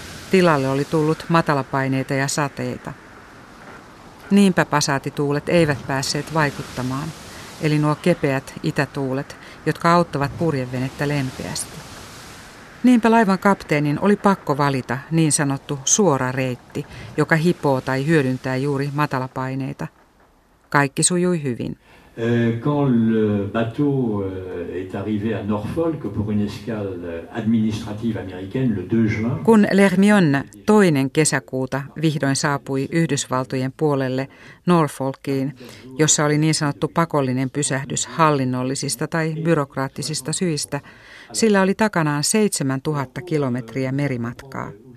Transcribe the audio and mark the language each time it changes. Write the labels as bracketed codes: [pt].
[fi] Tilalle oli tullut matalapaineita ja sateita. Niinpä pasaatituulet eivät päässeet vaikuttamaan, eli nuo kepeät itätuulet, jotka auttavat purjevenettä lempeästi. Niinpä laivan kapteenin oli pakko valita niin sanottu suora reitti, joka hipoo tai hyödyntää juuri matalapaineita. Kaikki sujui hyvin. [fr] Quand le bateau est arrivé à Norfolk pour une escale administrative américaine le 2 juin. [fi] Kun L'Hermione 2. kesäkuuta vihdoin saapui Yhdysvaltojen puolelle Norfolkiin, jossa oli niin sanottu pakollinen pysähdys hallinnollisista tai byrokraattisista syistä, sillä oli takanaan 7000 kilometriä merimatkaa.